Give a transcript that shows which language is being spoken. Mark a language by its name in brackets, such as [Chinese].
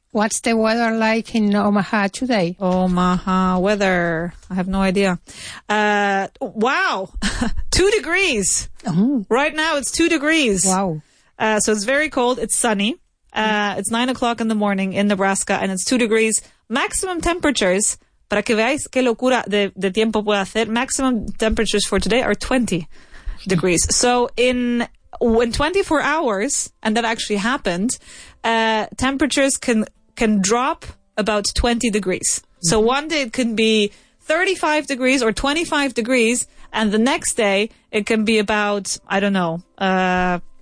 [English] What's the weather like in Omaha today? Omaha weather. I have no idea. Wow. 2 degrees. Mm-hmm. Right now it's 2 degrees. Wow. So it's very cold. It's sunny. It's 9 o'clock in the morning in Nebraska and it's 2 degrees. Maximum temperatures. [Spanish] Para que veáis qué locura de tiempo puede hacer. [English] Maximum temperatures for today are 20 degrees. So in 24 hours, and that actually happened, temperatures can drop about 20 degrees. So one day it can be 35 degrees or 25 degrees, and the next day it can be about, I don't know, -4.